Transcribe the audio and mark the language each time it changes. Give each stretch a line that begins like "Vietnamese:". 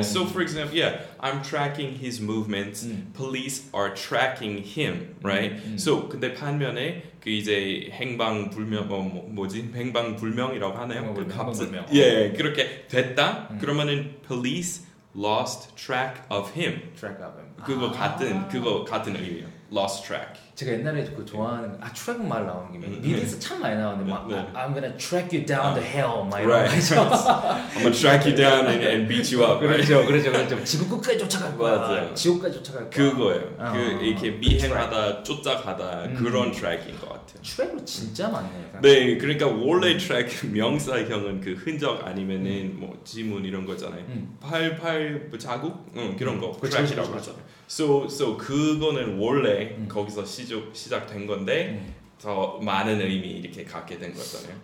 English: So for example, yeah, I'm tracking his movements. Police are tracking him, right?
Korean: So 근데 반면에 그 이제 행방 불명 뭐지 행방 불명이라고 하나요? 행방불명. 예, 그렇게 됐다. 그러면은
English: police lost track of him. Track of him.
Korean: 그거 같은 그거 같은 의미예요.
English: Lost track.
Korean: 제가 옛날에 그 좋아하는 아 트랙 말 나온 김에 미디에서 참 많이 나오는데 막
English: I'm gonna track you down the hell, my right. I'm gonna track you down and beat you up.
Korean: 그렇죠, 그렇죠, 그렇죠. 지구 끝까지 쫓아갈 거야. 맞아요. 지옥까지 쫓아갈 거야. 그거예요. 그 이렇게 미행하다 쫓아가다 그런 트랙인 것 같아요. 트랙은 진짜 많네요. 네, 그러니까 원래 트랙 명사형은 그 흔적 아니면은 뭐 지문 이런 거잖아요. 팔팔 자국, 그런 거 트랙이라고 하죠. So 그거는 원래 거기서 시작된 건데 더 많은 의미 이렇게 갖게 된 거잖아요.